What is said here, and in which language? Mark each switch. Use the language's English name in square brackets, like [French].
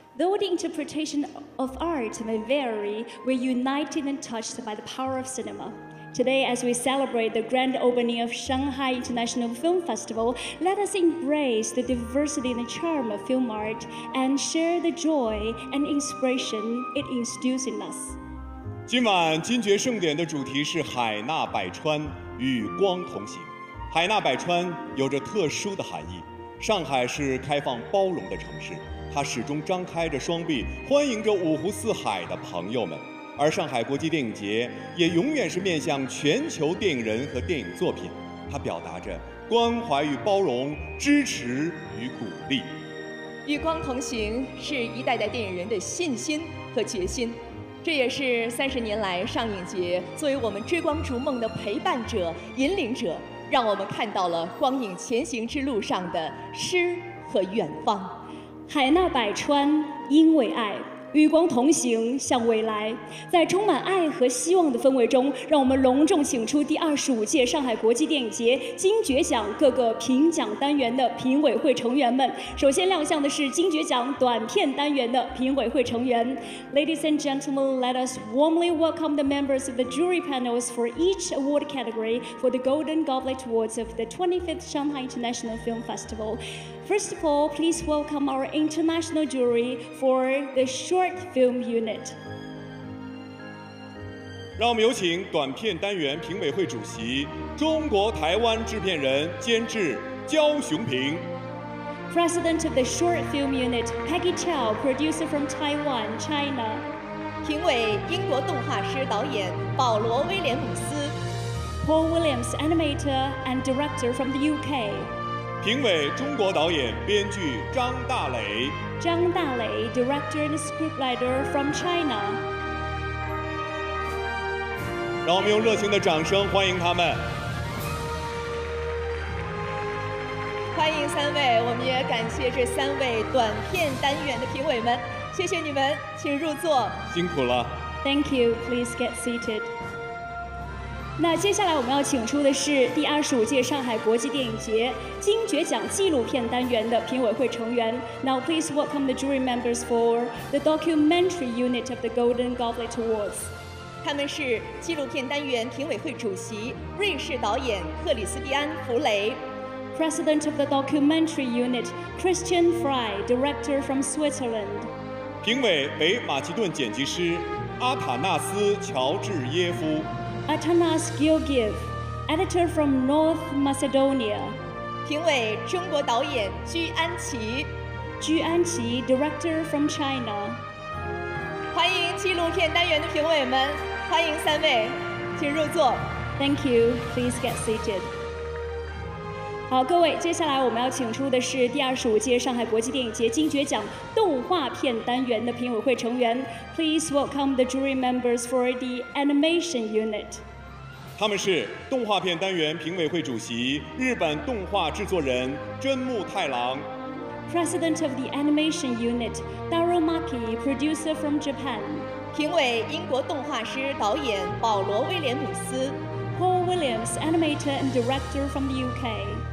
[English] Though the interpretation of art may vary, we're united and touched by the power of cinema. Today, as we celebrate the grand opening of Shanghai International Film Festival, let us embrace the diversity and the charm of film art and share the joy and inspiration it instills in us. [Chinese] 今晚金爵盛典的主题是海纳百川，与光同行。海纳百川有着特殊的含义。上海是开放包容的城市，它始终张开着双臂，欢迎着五湖四海的朋友们。而上海国际电影节也永远是面向全球电影人和电影作品，它表达着关怀与包容、支持与鼓励。与光同行是一代代电影人的信心和决心，这也是30年来上影节作为我们追光逐梦的陪伴者、引领者，让我们看到了光影前行之路上的诗和远方。海纳百川，因为爱。与光同行，向未来。在充满爱和希望的氛围中，让我们隆重请出第25届上海国际电影节金爵奖各个评奖单元的评委会成员们。首先亮相的是金爵奖短片单元的评委会成员。 [English] Ladies and gentlemen, let us warmly welcome the members of the jury panels for each award category for the Golden Goblet Awards of the 25th Shanghai International Film Festival. First of all, please welcome our international jury for the Short Film Unit. [Chinese] 让我们有请短片单元评委会主席、中国台湾制片人、监制焦雄平。 [English] President of the Short Film Unit, Peggy Chow, producer from Taiwan, China. [Chinese] 评委英国动画师导演保罗·威廉姆斯。 [English] Paul Williams, animator and director from the UK. [Chinese] 评委中国导演编剧张大磊。 [English] 张大磊 director and scriptwriter from China. [Chinese] 让我们用热情的掌声欢迎他们。欢迎三位，我们也感谢这三位短片单元的评委们，谢谢你们，请入座。辛苦了。 [English] Thank you, please get seated. [Chinese] 那接下来我们要请出的是第25届上海国际电影节金爵奖纪录片单元的评委会成员。 [English] Now please welcome the jury members for the documentary unit of the Golden Goblet Awards. [Chinese] 他们是纪录片单元评委会主席瑞士导演克里斯蒂安·弗雷。 [English] President of the documentary unit, Christian Frey, director from Switzerland. [Chinese] 评委北马其顿剪辑师阿塔纳斯·乔治耶夫。 [English] Atanas Gilgiev, editor from North Macedonia. [Chinese] 评委中国导演居安琪。 [English] 居安琪 director from China. [Chinese] 欢迎纪录片单元的评委们，欢迎三位，请入座。 [English] Thank you. Please get seated. [Chinese] 好，各位，接下来我们要请出的是第25届上海国际电影节金爵奖动画片单元的评委会成员。 [English] Please welcome the jury members for the animation unit. [Chinese] 他们是动画片单元评委会主席日本动画制作人真木太郎。 [English] President of the animation unit, Daro Maki, producer from Japan. [Chinese] 评委英国动画师导演保罗威廉姆斯。 [English] Paul Williams, animator and director from the UK.